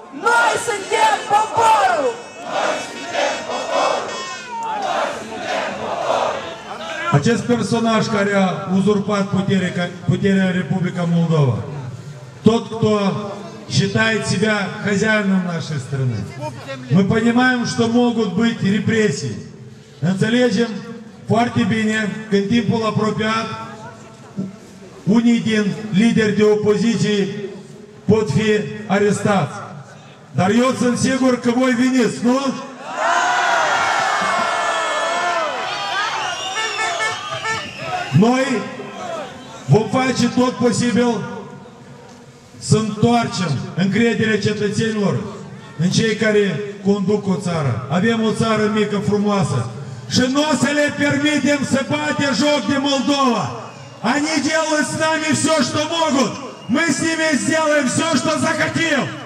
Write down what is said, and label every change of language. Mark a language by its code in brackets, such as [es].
[ro] Noi suntem poporul! Acest personaj care a uzurpat puterea în Republica Moldova, [ru] тот, кто считает себя хозяином нашей страны. Мы понимаем, что могут быть репрессии. [ro] Înțelegem foarte bine că în timpul apropiat unii din lideri de opoziție pot fi arestați. Dar eu sunt sigur că voi veniți, nu? Noi vom face tot posibil să întoarcem încrederea cetățenilor în cei care conduc o țară. Avem o țară mică, frumoasă. Și nu o să le permitem să bate joc de Moldova. [ru] Они делают с нами все, что могут. Мы с ними сделаем все, что захотим.